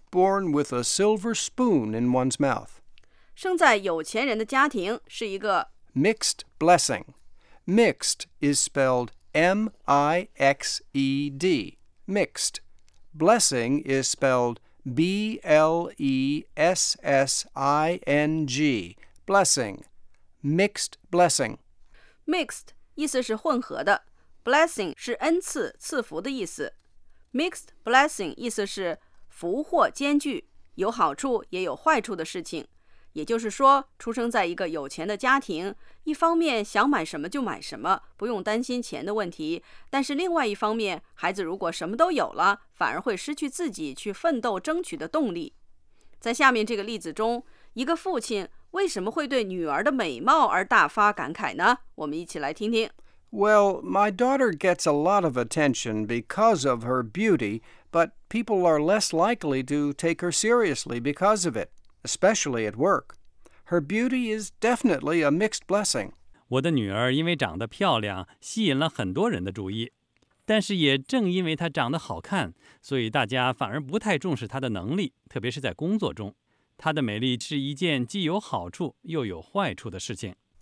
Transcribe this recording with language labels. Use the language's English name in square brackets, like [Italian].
[English] Born with a silver spoon in one's mouth. [Chinese] 生在有钱人的家庭是一个 [English] Mixed blessing. Mixed is spelled M-I-X-E-D. Mixed. Blessing is spelledB-L-E-S-S-I-N-G, blessing, mixed blessing. [Chinese] Mixed 意思是混合的 ,blessing 是恩赐、赐福的意思。 Mixed blessing 意思是福祸兼具，有好处也有坏处的事情。也就是说，出生在一个有钱的家庭，一方面想买什么就买什么，不用担心钱的问题，但是另外一方面，孩子如果什么都有了，反而会失去自己去奋斗争取的动力。在下面这个例子中，一个父亲为什么会对女儿的美貌而大发感慨呢？我们一起来听听。 [English] Well, my daughter gets a lot of attention because of her beauty, but people are less likely to take her seriously because of it. Especially at work. Her beauty is definitely a mixed blessing. [Chinese] 我的女儿因为长得漂亮，吸引了很多人的注意。但是也正因为她长得好看，所以大家反而不太重视她的能力，特别是在工作中。她的美丽是一件既有好处又有坏处的事情。